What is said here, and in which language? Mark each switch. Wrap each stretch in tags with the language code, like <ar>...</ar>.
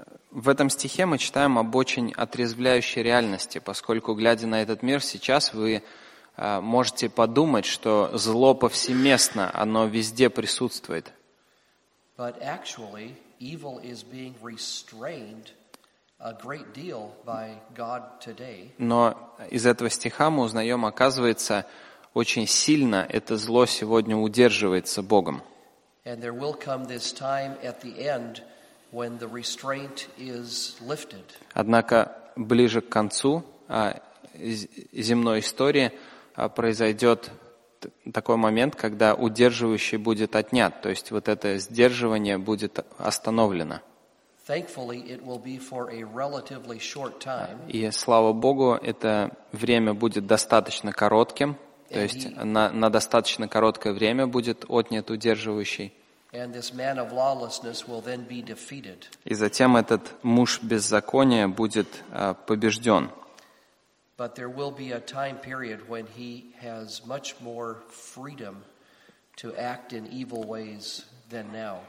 <ru>В этом стихе мы читаем об очень отрезвляющей реальности, поскольку, глядя на этот мир сейчас, вы можете подумать, что зло повсеместно, оно везде присутствует.</ru> <en>But actually, evil is being restrained a great deal by God today.</en> <ru>Но из этого стиха мы узнаем, оказывается, очень сильно это зло сегодня удерживается Богом.</ru> <en>And there will come this time at the end when the restraint is lifted.</en> <ru>Однако ближе к концу земной истории произойдет такой момент, когда удерживающий будет отнят, то есть вот это сдерживание будет остановлено.</ru> <en>Thankfully, it will be for a relatively short time.</en> <ru>И слава Богу, это время будет достаточно коротким, то есть на достаточно короткое время будет отнят удерживающий.</ru> <en>And this man of lawlessness will then be defeated.</en> <ru>И затем этот муж беззакония будет побежден.</ru> <en>But there will be a time period when he has much more freedom to act in evil ways than now.</en>